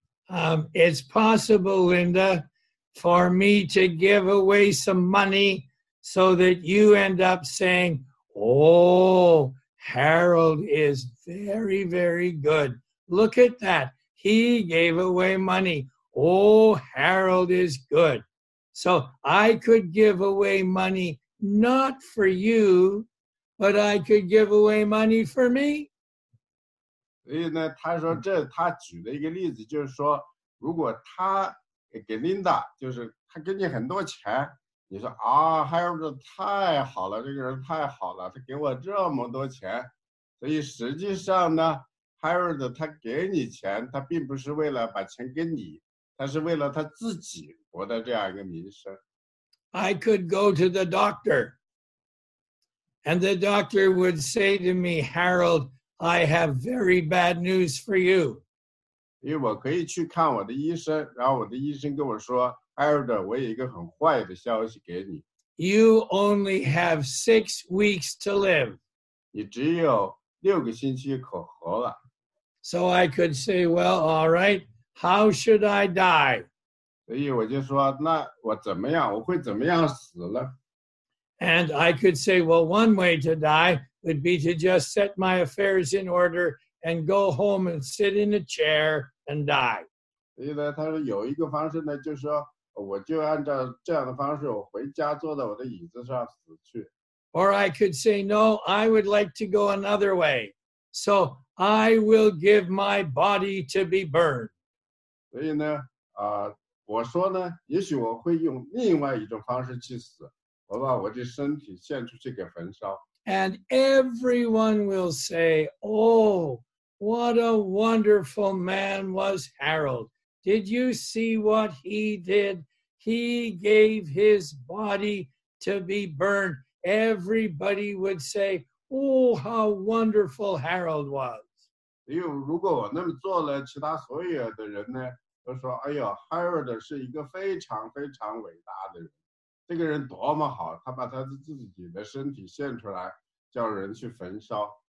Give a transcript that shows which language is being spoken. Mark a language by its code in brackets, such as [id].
[en] It's possible, Linda, for me to give away some money so that you end up saying, oh, Harold is very, very good. Look at that. He gave away money. Oh, Harold is good. So I could give away money not for you, but I could give away money for me. [zh] 所以呢，他说这他举了一个例子，就是说，如果他给 Linda， 就是他给你很多钱，你说啊 ，Harold 太好了，这个人太好了，他给我这么多钱。所以实际上呢 ，Harold 他给你钱，他并不是为了把钱给你，他是为了他自己活的这样一个名声。 [en] I could go to the doctor. And the doctor would say to me, Harold, I have very bad news for you. [zh] 因为我可以去看我的医生，然后我的医生跟我说 ，Harold， 我有一个很坏的消息给你。 [en] You only have 6 weeks to live. [zh] 你只有六个星期可活了。 [en] So I could say, well, all right, how should I die? [zh] 所以我就说，那我怎么样？我会怎么样死了？ [en] And I could say, well, one way to die would be to just set my affairs in order and go home and sit in a chair and die. [zh] 所以呢，他说有一个方式呢，就是说我就按照这样的方式，我回家坐在我的椅子上死去。 [en] Or I could say, no, I would like to go another way. So I will give my body to be burned. [zh] 所以呢，我说呢，也许我会用另外一种方式去死。我把我的身体献出去给焚烧。 [en] And everyone will say, oh, what a wonderful man was Harold. Did you see what he did? He gave his body to be burned. everybody would say, oh, how wonderful Harold was. [zh] 因为如果我那么做了，其他所有的人呢，都说，哎呦，Harold 是一个非常非常伟大的人。这个人多么好，他把他自己的身体献出来，叫人去焚烧。